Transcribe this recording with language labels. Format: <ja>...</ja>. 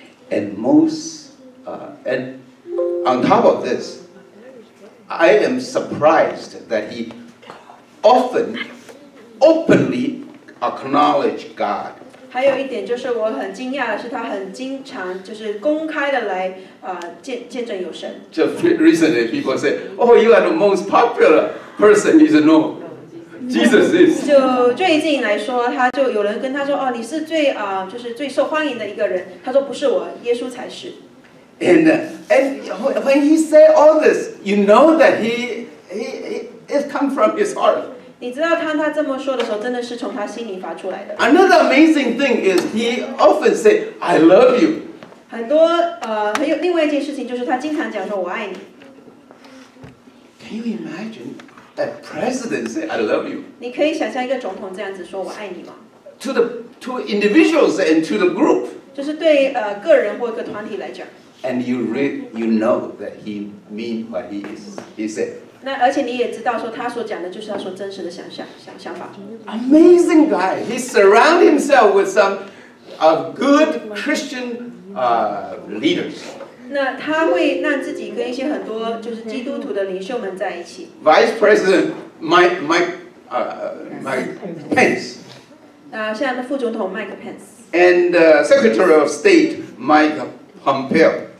<en>And most and on top of this, I am surprised that he often openly acknowledged God.</en> <zh>还有一点就是我很惊讶的是，他很经常就是公开的来见证有神。</zh> <en>Just recently, people say, "Oh, you are the most popular person." He said, "No, Jesus is."</en> <zh>就最近来说，他就有人跟他说，哦，你是最就是最受欢迎的一个人。他说不是我，耶稣才是。</zh> <en>And when he say all this, you know that he it come from his heart.</en> <zh>你知道他这么说的时候，真的是从他心里发出来的。</zh> <en>Another amazing thing is he often said, "I love you."</en> <zh>很多还有另外一件事情，就是他经常讲说我爱你。</zh> <en>Can you imagine a president say, "I love you"?</en> <zh>你可以想象一个总统这样子说我爱你吗</zh> <en>？To individuals and to the group.</en> <zh>就是对个人或一个团体来讲。</zh> <en>And you know that he mean what he said.</en> <zh>那而且你也知道说他所讲的就是他所真实的想法。</zh> <en>Amazing guy. He surround himself with some good Christian leaders.</en> <zh>那他会让自己跟一些很多就是基督徒的领袖们在一起。</zh> <en>Vice President Mike Pence.</en> <zh>现在的副总统 Mike Pence.</zh> <en>And Secretary of State Mike Pompeo.</en>